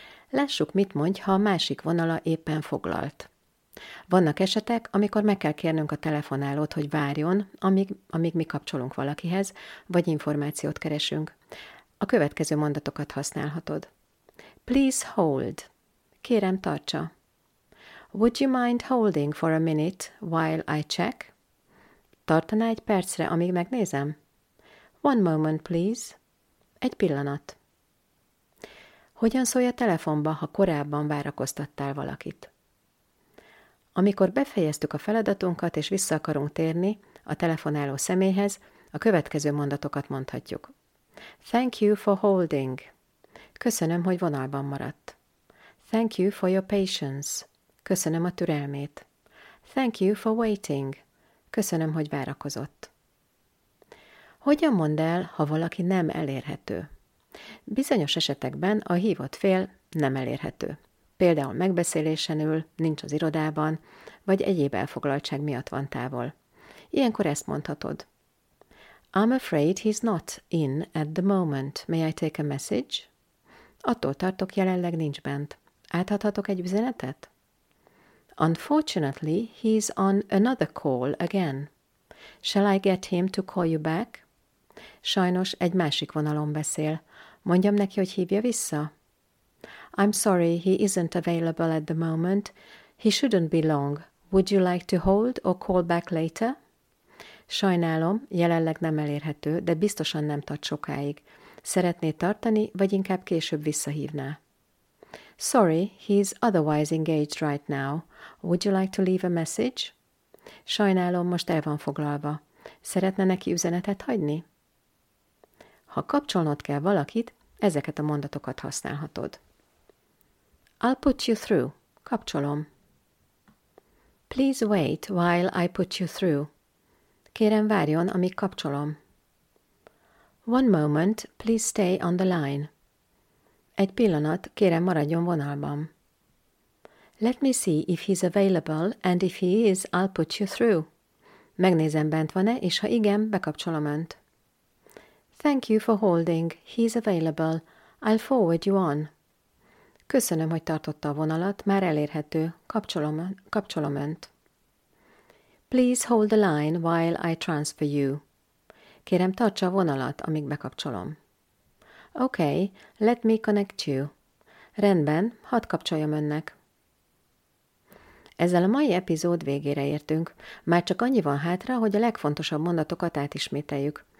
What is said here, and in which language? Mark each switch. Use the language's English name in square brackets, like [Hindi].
[Hungarian] Lássuk, mit mondj, ha a másik vonala éppen foglalt. Vannak esetek, amikor meg kell kérnünk a telefonálót, hogy várjon, amíg mi kapcsolunk valakihez, vagy információt keresünk. A következő mondatokat használhatod. [English] Please hold. [Hungarian] Kérem, tartsa. [English] Would you mind holding for a minute while I check? [Hungarian] Tartaná egy percre, amíg megnézem? [English] One moment, please. [Hungarian] Egy pillanat. Hogyan szólj a telefonba, ha korábban várakoztattál valakit? Amikor befejeztük a feladatunkat és vissza akarunk térni a telefonáló személyhez, a következő mondatokat mondhatjuk. [English] Thank you for holding. [Hungarian] Köszönöm, hogy vonalban maradt. [English] Thank you for your patience. [Hungarian] Köszönöm a türelmét. [English] Thank you for waiting. [Hungarian] Köszönöm, hogy várakozott. Hogyan mondd el, ha valaki nem elérhető? Bizonyos esetekben a hívott fél nem elérhető. Például megbeszélésen ül, nincs az irodában, vagy egyéb elfoglaltság miatt van távol. Ilyenkor ezt mondhatod. [English] I'm afraid he's not in at the moment. May I take a message? [Hungarian] Attól tartok, jelenleg nincs bent. Átadhatok egy üzenetet? [English] Unfortunately, he's on another call again. Shall I get him to call you back? [Hungarian] Sajnos egy másik vonalon beszél. Mondjam neki, hogy hívja vissza? [English] I'm sorry, he isn't available at the moment. He shouldn't be long. Would you like to hold or call back later? [Hungarian] Sajnálom, jelenleg nem elérhető, de biztosan nem tart sokáig. Szeretné tartani, vagy inkább később visszahívná? [English] Sorry, he's otherwise engaged right now. Would you like to leave a message? [Hungarian] Sajnálom, most el van foglalva. Szeretne neki üzenetet hagyni? Ha kapcsolnod kell valakit, ezeket a mondatokat használhatod. [English] I'll put you through. [Hungarian] Kapcsolom. [English] Please wait while I put you through. [Hungarian] Kérem, várjon, amíg kapcsolom. [English] One moment, please stay on the line. [Hungarian] Egy pillanat, kérem, maradjon vonalban. [English] Let me see if he's available, and if he is, I'll put you through. [Hungarian] Megnézem, bent van-e, és ha igen, bekapcsolom önt. [English] Thank you for holding. He's available. I'll forward you on. [Hungarian] Köszönöm, hogy tartotta a vonalat. Már elérhető. Kapcsolom önt. [English] Please hold the line while I transfer you. [Hungarian] Kérem, tartsa a vonalat, amíg bekapcsolom. [English] Okay, let me connect you. [Hungarian] Rendben, hadd kapcsoljam önnek. Ezzel a mai epizód végére értünk. Már csak annyi van hátra, hogy a legfontosabb mondatokat átismételjük.